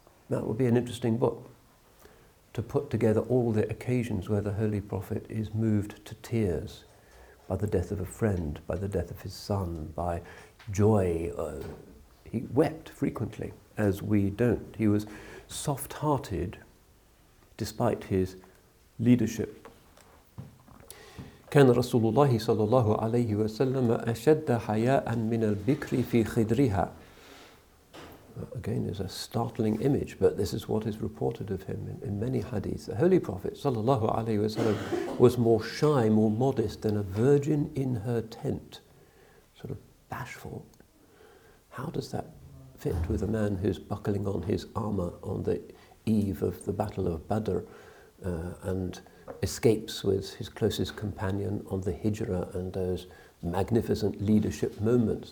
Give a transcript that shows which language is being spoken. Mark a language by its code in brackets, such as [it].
[en] That would be an interesting book, to put together all the occasions where the Holy Prophet is moved to tears by the death of a friend, by the death of his son, by joy. He wept frequently, as we don't. He was soft-hearted despite his leadership. [ar] كان رسول الله صلى الله عليه وسلم أشد حياء من البكر في خدرها. [en] Again, is a startling image, but this is what is reported of him in many hadiths. The Holy Prophet sallallahu alayhi wa sallam was more shy, more modest than a virgin in her tent, sort of bashful. How does that fit with a man who's buckling on his armor on the eve of the Battle of Badr and escapes with his closest companion on the Hijrah and those magnificent leadership moments?